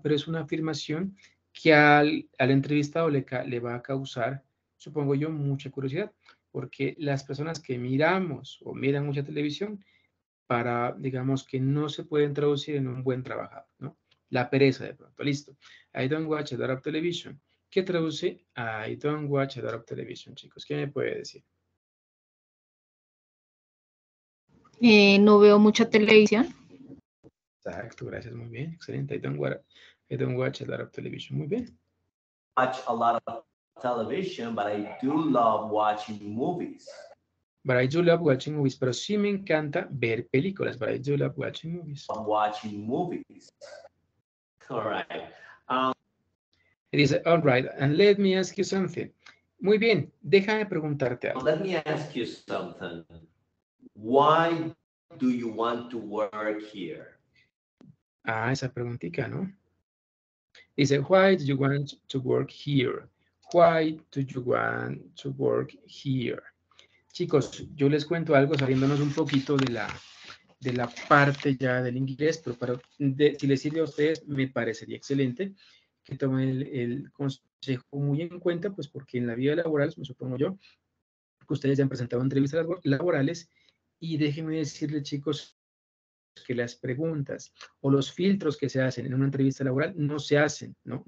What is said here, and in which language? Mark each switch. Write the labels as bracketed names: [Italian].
[Spanish] Pero es una afirmación que al entrevistado le va a causar, supongo yo, mucha curiosidad. Porque las personas que miramos o miran mucha televisión, para, digamos, que no se pueden traducir en un buen trabajador, ¿no? La pereza de pronto. Listo. [English] I don't watch a lot of television. [Spanish] ¿Qué traduce? [English] I don't watch a lot of television, chicos. [Spanish] ¿Qué me puede decir? No veo mucha televisión. Exacto, gracias, muy bien, excelente. [English] I don't watch a lot of television, [Spanish] muy bien. [English] Watch a lot of television, but I do love watching movies. But I do love watching movies. [Spanish] Pero sí me encanta ver películas. [English] But I do love watching movies. I'm watching movies. All right. It is, all right. And let me ask you something. [Spanish] Muy bien. Déjame preguntarte algo. [English] Let me ask you something. Why do you want to work here? [Spanish] Ah, esa preguntita, ¿no? [English] Dice, why do you want to work here? Why do you want to work here? [Spanish] Chicos, yo les cuento algo saliéndonos un poquito de la parte ya del inglés, pero si les sirve a ustedes, me parecería excelente que tomen el consejo muy en cuenta, pues porque en la vida laboral, me supongo yo, que ustedes ya han presentado entrevistas laborales, y déjenme decirles, chicos, que las preguntas o los filtros que se hacen en una entrevista laboral no se hacen, ¿no?